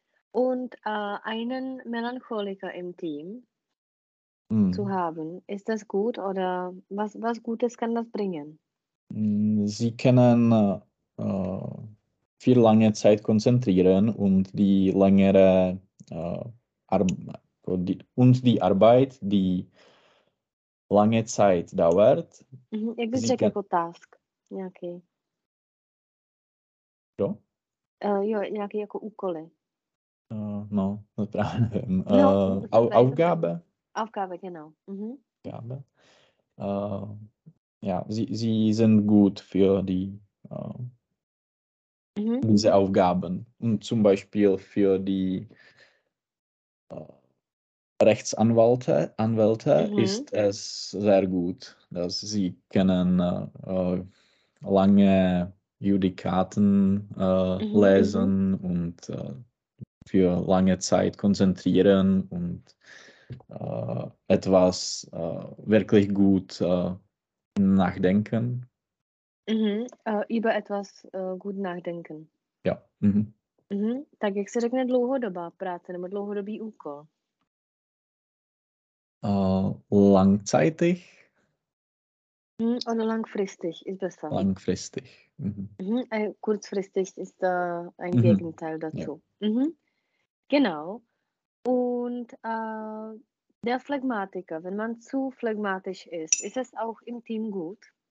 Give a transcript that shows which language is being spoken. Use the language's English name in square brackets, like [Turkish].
[German] Und einen Melancholiker im Team zu haben, ist das gut oder was Gutes kann das bringen? Sie können viel lange Zeit konzentrieren und die lange Zeit dauert. [Czech] Jak bys řekl jako task nějaký? Jo? Jo, nějaký jako úkoly. No, to právě nevím. Aufgabe? [German] Aufgabe, genau. Aufgabe. Ja, sie sind gut für die diese Aufgaben. Und zum Beispiel für die Rechtsanwälte ist es sehr gut, dass sie können lange Judikaten lesen und für lange Zeit konzentrieren und etwas wirklich gut nachdenken. Über etwas gut nachdenken. Ja. [Czech] Tak jak se řekne dlouhodobá práce nebo dlouhodobý úkol? [German] Langzeitig? Oder langfristig ist besser. Langfristig. Kurzfristig ist ein Gegenteil dazu. Ja. Genau. Und der Phlegmatiker, wenn man zu phlegmatisch ist, ist es auch im Team gut?